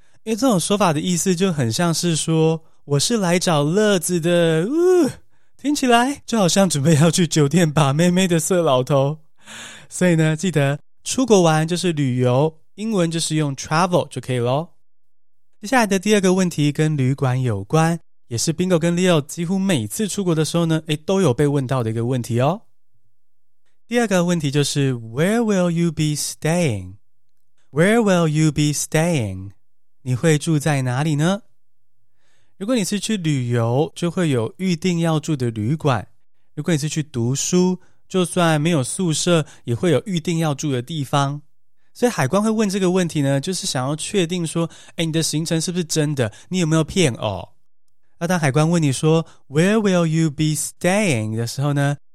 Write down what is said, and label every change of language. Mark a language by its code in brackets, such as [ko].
[zh] 因为这种说法的意思就很像是说我是来找乐子的，听起来就好像准备要去酒店把妹妹的色老头。所以呢，记得出国玩就是旅游，英文就是用 travel 就可以咯。接下来的第二个问题跟旅馆有关，也是 Bingo 跟 Leo 几乎每次出国的时候呢，都有被问到的一个问题哦。第二个问题就是 [en] Where will you be staying? Where will you be staying? [zh] 你会住在哪里呢？如果你是去旅游，就会有预定要住的旅馆。如果你是去读书，就算没有宿舍也会有预定要住的地方。所以海关会问这个问题呢，就是想要确定说你的行程是不是真的，你有没有骗哦。那当海关问你说 [en] Where will you be staying [zh] 的时候呢，